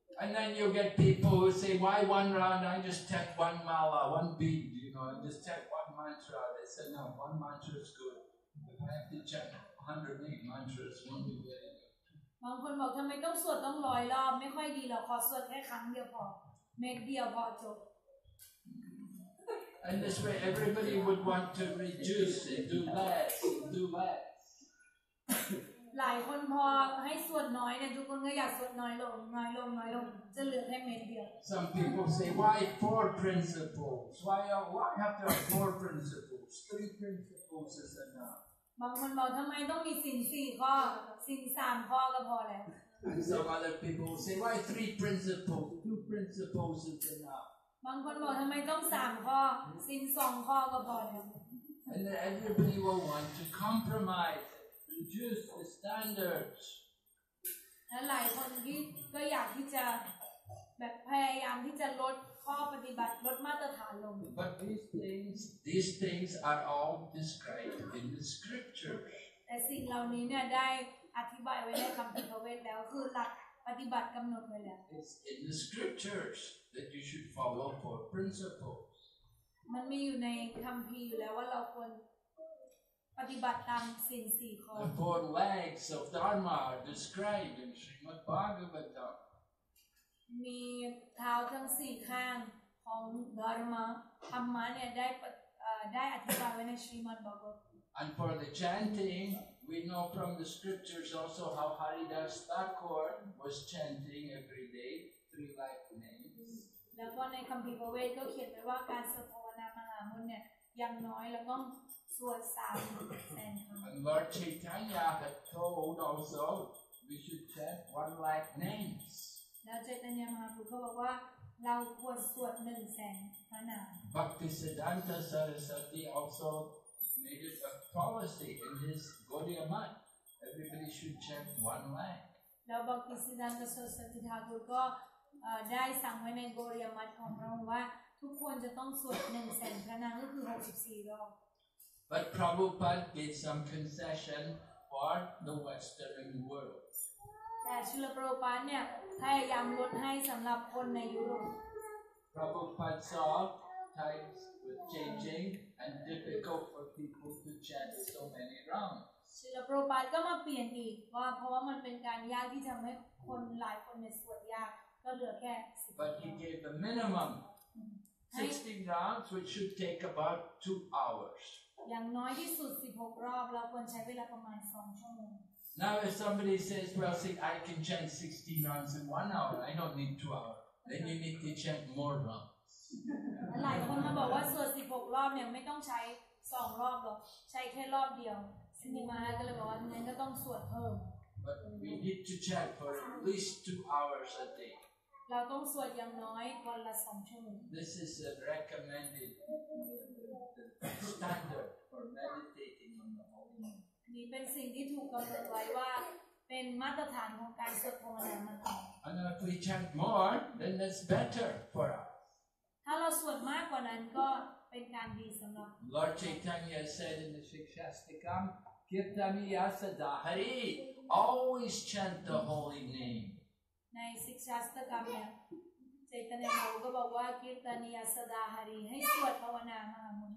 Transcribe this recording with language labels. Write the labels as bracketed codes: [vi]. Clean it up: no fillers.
[en] And then you get people who say, why one round? I just chant one mala, one beat, you know, and just chant one mantra. They say, no, one mantra is good. If I have to chant 108 mantras, won't be good anymore. [th] บางคนบอกทำไมต้องสวดต้องร้อยรอบไม่ค่อยดีหรอกขอสวดแค่ครั้งเดียวพอเม็ดเดียวพอจบ [en] And this way, everybody would want to reduce and do less, do less. [th] หลายคนพอให้สวดน้อยเนี่ยทุกคนก็อยากสวดน้อยลงน้อยลงน้อยลงจะเหลือแค่เม็ดเดียว [en] Some people say why four principles why have to have four principles three principles is enough [th] บางคนบอกทำไมต้องมีศีล4ข้อศีล3ข้อก็พอแล้ว [en] Some other people say why three principles two principles is enough [th] บางคนบอกทำไมต้อง3ข้อศีล2ข้อก็พอแล้ว [en] And then everybody will want to compromiseReduce the standards. [th] และหลายคนที่ก็อยากที่จะแบบพยายามที่จะลดข้อปฏิบัติลดมาตรฐานลง [en] But these things are all described in the scripture. [th] แต่สิ่งเหล่านี้เนี่ยได้อธิบายไว้ในคำพิพากษาแล้วคือหลักปฏิบัติกำหนดไว้แล้ว [en] It's in the scriptures that you should follow four principles. [th] มันมีอยู่ในคำพีอยู่แล้วว่าเราควรปฏิบัติตามศีล4ข้อ [en] The four legs of Dharma are described in Srimad Bhagavatam [th] มีเท้าทั้ง4ข้างของธรรมะธรรมะเนี่ยได้อธิบายไว้ในชรีมัทบาโกต [en] And for the chanting we know from the scriptures also how Haridas Thakur was chanting every day three like names [th] แล้วก็ในคัมภีร์พระเวทก็เขียนไว้ว่าการสวดภาวนามหามุนเนี่ยอย่างน้อยแล้วก็ [en] And Lord Chaitanya had told also we should chant one lakh names. Lord Chaitanya Mahaprabhu said that we should chant 100,000 names. Bhaktisiddhanta Sarasvati also made it a policy in his Gaudiya Math. Everybody should chant one lakh. Lord Bhaktisiddhanta Sarasvati Thakur got it in his Gaudiya Math that everyone should chant 100,000 names, which is 64 times. But Prabhupada gave some concession for the Western world. [th] แต่ชิลปรูปันเนี่ยพยายามลดให้สำหรับคนในยุโรป [en] Prabhupada saw times were changing and difficult for people to chant so many rounds. [th] ชิลปรูปันก็มาเปลี่ยนอีกว่าเพราะว่ามันเป็นการยากที่ทำให้คนหลายคนในสวดยากก็เหลือแค่ [en] But he gave the minimum 16 rounds, which should take about 2 hours. [th] อย่างน้อยที่สุด16รอบเราควรใช้เวลาประมาณ2ชั่วโมง [en] Now if somebody says, well, see, I can chant 16 rounds in 1 hour, I don't need 2 hours. Then you need to chant more rounds. [th] หลายคนมาบอกว่าสวด16รอบเนี่ยไม่ต้องใช้2รอบหรอกใช้แค่รอบเดียวสิมีมาก็เลยบอกว่างั้นก็ต้องสวดเพิ่ม [en] But we need to chant for at least 2 hours a day. [th] เราต้องสวดอย่างน้อยวันละ2ชั่วโมง [en] This is a recommended. Standard for meditating on the holy name. [th] นี่เป็นสิ่งที่ถูกกำหนดไว้ว่าเป็นมาตรฐานของการสวดภาวนามากกว่า [en] And if we chant more, then that's better for us. [th] ถ้าเราสวดมากกว่านั้นก็เป็นการดีสำหรับ [en] Lord Chaitanya said in the Shikshastikam, "Kirtaniyasadhari, always chant the holy name." [th] ในศิกษาสตกรรมเนี่ยเจตนาเขาก็บอกว่า "Kirtaniyasadhari, ให้สวดภาวนามาก